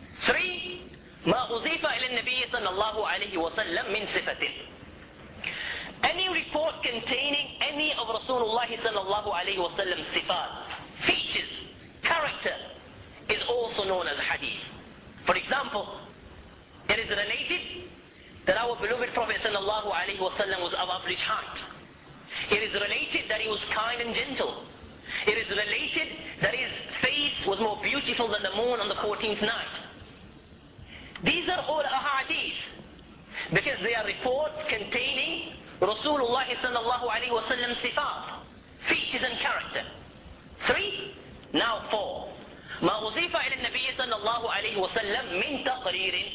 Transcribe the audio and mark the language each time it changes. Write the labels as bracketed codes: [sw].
[ar] Three, ما أضيف إلى النبي صلى الله عليه وسلم من صفة. [en] Any report containing any of Rasulullah صلى الله عليه وسلم صفات, features, character, is also known as hadith. For example, it is related that our beloved Prophet صلى الله عليه وسلم was of average height. It is related that he was kind and gentle. It is related that his face was more beautiful than the moon on the 14th night. These are all ahadith because they are reports containing Rasulullah sallallahu alayhi wa sallam sifat, features and character. Three, now four. [ar] ما أضيف إلى النبي صلى الله عليه وسلم من تقرير.